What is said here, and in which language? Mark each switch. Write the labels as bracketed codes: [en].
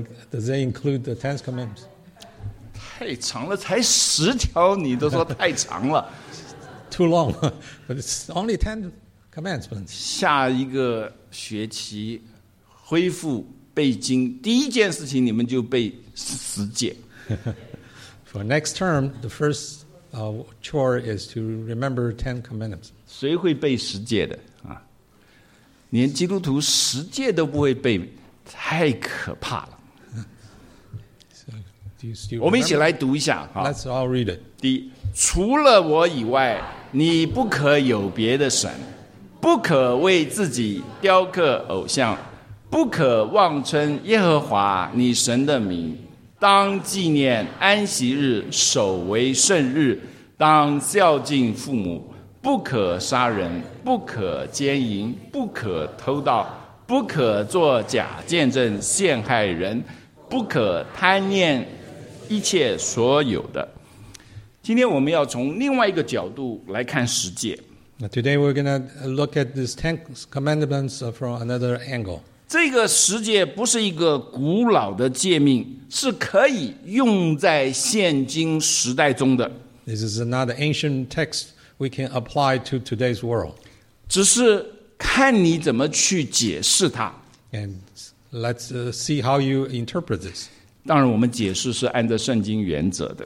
[en] Does that include the Ten Commandments? [zh] 太长了，才十条，你都说太长了。 [en] Too long, but it's only Ten Commandments. [zh] 下一个学期恢复背经，第一件事情你们就背十诫。 [en] For next term, the first chore is to remember Ten Commandments. [zh] 谁会背十诫的啊？连基督徒十诫都不会背，太可怕了。我们一起来读一下。 [en] Let's all read it. [zh] 第一，除了我以外，你不可有别的神，不可为自己雕刻偶像，不可妄称耶和华你神的名。当纪念安息日，守为圣日，当孝敬父母，不可杀人，不可奸淫，不可偷盗，不可作假见证陷害人，不可贪念一切所有的。今天我们要从另外一个角度来看十诫。 [en] Today we're going to look at these Ten Commandments from another angle. [zh] 这个十诫不是一个古老的诫命，是可以用在现今时代中的。 [en] This is not an ancient text we can apply to today's world. [zh] 只是看你怎么去解释它。 [en] And let's see how you interpret this. [zh] 当然我们解释是按照圣经原则的。